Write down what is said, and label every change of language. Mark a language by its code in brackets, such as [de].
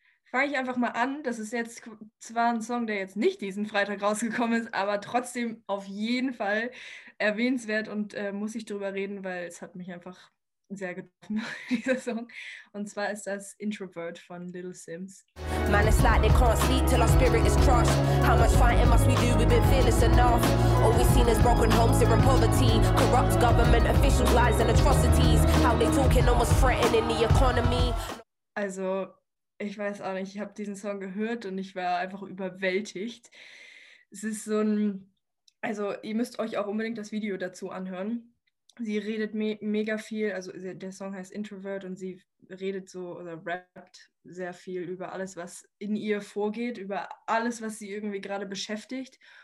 [de] Fange ich einfach mal an. Das ist jetzt zwar ein Song, der jetzt nicht diesen Freitag rausgekommen ist, aber trotzdem auf jeden Fall erwähnenswert und muss ich drüber reden, weil es hat mich einfach sehr getroffen, dieser Song. Und zwar ist das Introvert von Little Sims. [en] Man, it's like they can't sleep till our spirit is crushed. How much fighting must we do? We've been fearless enough. All we've seen is broken homes here in poverty. Corrupt government officials, lies and atrocities. How they talking almost threatening the economy. [de] Also, ich weiß auch nicht, ich habe diesen Song gehört und ich war einfach überwältigt. Es ist so ein, also ihr müsst euch auch unbedingt das Video dazu anhören. Sie redet me mega viel, also der Song heißt Introvert und sie redet so oder rappt sehr viel über alles, was in ihr vorgeht, über alles, was sie irgendwie gerade beschäftigt.